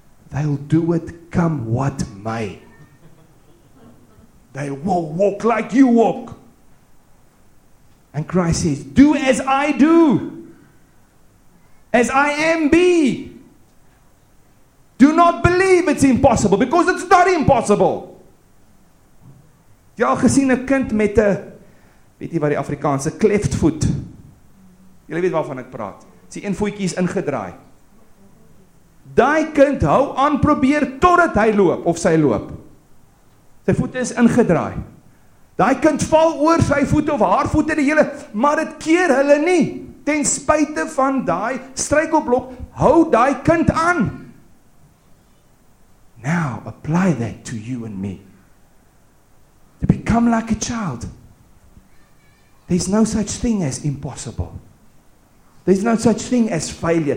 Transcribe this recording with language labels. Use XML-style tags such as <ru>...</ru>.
<en>They'll do it come what may. They will walk like you walk. And Christ says, do as I do. As I am be. Do not believe it's impossible because it's not impossible.</en> <af>Jy al gesien 'n kind met 'n, weet jy wat die Afrikaanse,</af> <en>cleft foot.</en> <af>Jy weet waarvan ek praat. Is die een voetjie is ingedraai. Daai kind hou aan probeer totdat hy loop of sy loop. Sy voete is ingedraai. Daai kind val oor sy voete of haar voete die hele, maar dit keer hulle nie. Ten spyte van daai struikelblok, hou daai kind aan.</af> <en>Now apply that to you and me. To become like a child. There's no such thing as impossible. There's no such thing as failure.</en>